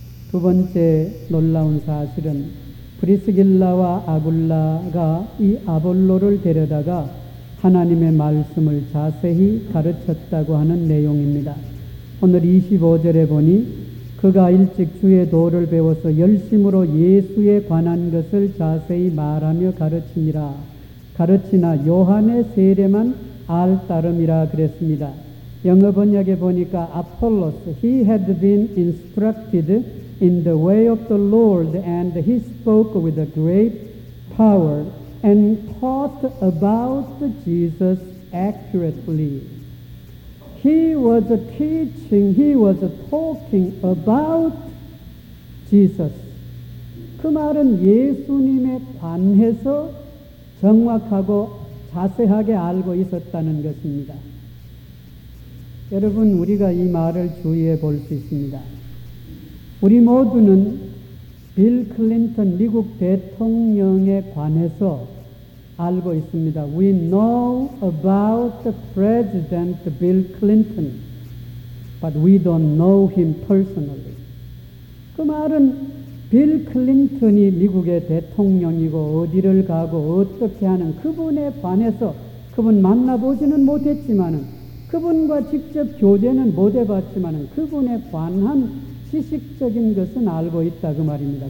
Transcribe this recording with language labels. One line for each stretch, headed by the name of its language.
Korean: 두 번째 놀라운 사실은 브리스길라와 아굴라가 이 아볼로를 데려다가 하나님의 말씀을 자세히 가르쳤다고 하는 내용입니다. 오늘 25절에 보니 그가 일찍 주의 도를 배워서 열심으로 예수에 관한 것을 자세히 말하며 가르치니라. 가르치나 요한의 세례만 알 따름이라 그랬습니다. 영어 번역에 보니까
English: Apollos, he had been instructed in the way of the Lord and he spoke with a great power and taught about Jesus accurately. He was teaching, he was talking about Jesus.
Korean: 그 말은 예수님에 관해서 정확하고 자세하게 알고 있었다는 것입니다. 여러분, 우리가 이 말을 주의해 볼 수 있습니다. 우리 모두는 빌 클린턴 미국 대통령에 관해서 알고 있습니다.
English: We know about the President Bill Clinton, but we don't know him personally.
Korean: 그 말은 빌 클린턴이 미국의 대통령이고 어디를 가고 어떻게 하는 그분에 관해서 그분 만나보지는 못했지만은 그분과 직접 교제는 못해봤지만은 그분에 관한 지식적인 것은 알고 있다 그 말입니다.